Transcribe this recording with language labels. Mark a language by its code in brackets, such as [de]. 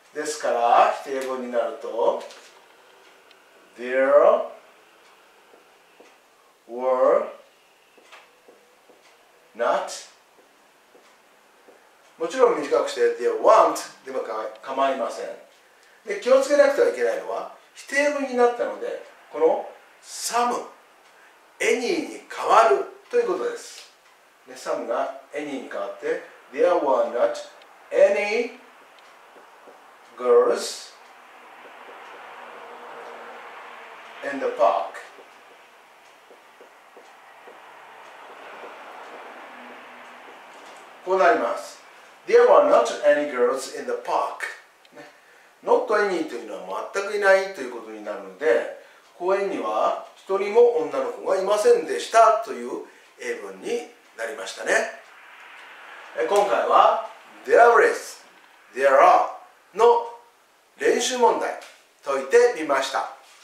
[ja] ですから否定文になると [en] there were not、 [ja] もちろん短くして [en] there weren't [ja] でも構いません。で、気をつけなくてはいけないのは否定文になったのでこの some any に変わるということです。で、some が any に変わって [en] there were not any girls in the park。 [ja] こうなります。 [en] There were not any girls in the park、ね。 [ja] Not any というのは全くいないということになるので、公園には一人も女の子がいませんでしたという英文になりましたね。今回は [en] There is, there are [ja] の練習問題解いてみました。